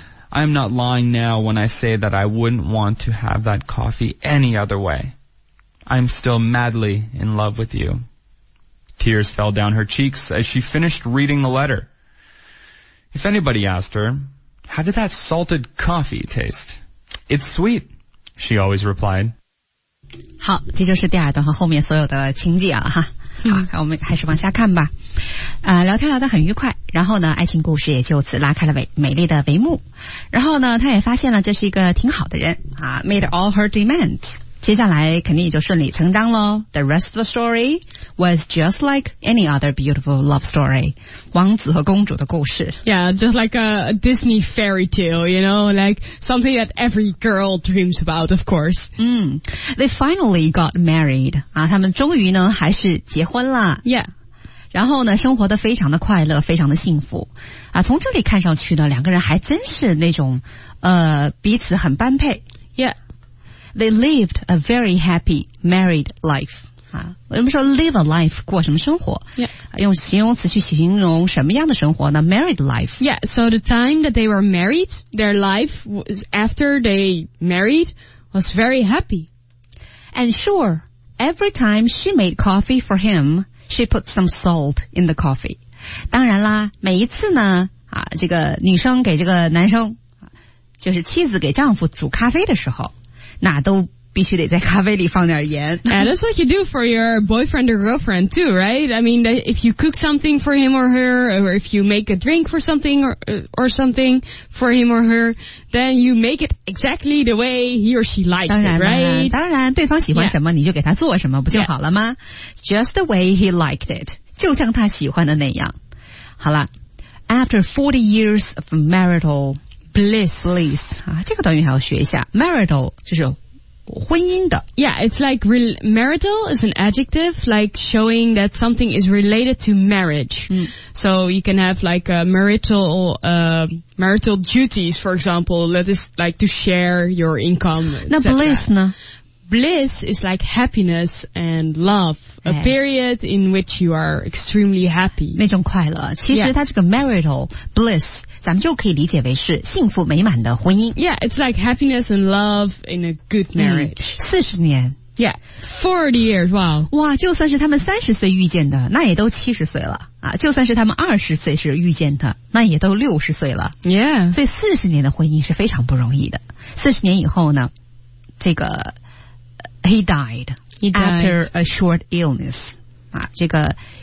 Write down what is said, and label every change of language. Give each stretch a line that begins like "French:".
English: I am not lying now when I say that I wouldn't want to have that coffee any other way. I am still madly in love with you. Tears fell down her cheeks as she finished reading the letter. If anybody asked her, how did that salted coffee taste? It's sweet, she always replied.
Chinese: 好，这就是第二段和后面所有的情节了哈。好，我们还是往下看吧。聊天聊得很愉快，然后呢，爱情故事也就此拉开了美丽的帷幕。然后呢，他也发现了这是一个挺好的人啊 ，
English: made all her demands。
Chinese: 接下来肯定也就顺理成章咯。
English: The rest of the story was just like any other beautiful love story.
Chinese: 王子和公主的故事。
English: Yeah, just like a Disney fairy tale, you know, like something that every girl dreams about, of course. They finally got married.
Chinese: 啊，他们终于呢还是结婚了。
English: Yeah.
Chinese: 然后呢生活得非常的快乐，非常的幸福。啊，从这里看上去呢两个人还真是那种彼此很般配。
English: Yeah. They lived a very happy married life.
Chinese: 我们说
English: live a life,
Chinese: 过什么生活、
English: yeah.
Chinese: 用形容词去形容什么样的生活呢 ?
English: married life. Yeah, so the time that they were married, their life was after they married was very happy. And sure, every time she made coffee for him, she put some salt in the coffee.
Chinese: 当然啦每一次呢、啊、这个女生给这个男生就是妻子给丈夫煮咖啡的时候那都必须得在咖啡里放点盐。
English: Yeah, that's what you do for your boyfriend or girlfriend too, right? I mean, if you cook something for him or her, or if you make a drink for something or something for him or her, then you make it exactly the way he or she likes it, right?
Chinese: 当然，对方喜欢什么、yeah. 你就给他做什么不就好了吗、yeah.
English: Just the way he liked it,
Chinese: 就像他喜欢的那样。好了
English: ,after 40 years of marital, Bliss.
Chinese: 啊，这个短语还要学一下。 Marital 就是婚姻的。
English: Yeah, it's like marital is an adjective like showing that something is related to marriage.、嗯、 so you can have like marital duties, for example, that is like to share your income.
Chinese: 那 bliss 呢？
English: Bliss is like happiness and love, a period in which you are extremely happy.
Chinese: 那种快乐，其实它这个 marital bliss， 咱们就可以理解为是幸福美满的婚姻。
English: Yeah, it's like happiness and love in a good marriage.
Chinese: 40年
English: Yeah, 40 years. Wow.
Chinese: 哇，就算是他们30岁遇见的，那也都70岁了啊。就算是他们20岁时遇见的，那也都60岁了。
English: Yeah.
Chinese: 所以40年的婚姻是非常不容易的。 40年以后呢，这个。
English: He died after a short illness.
Chinese: 啊，这个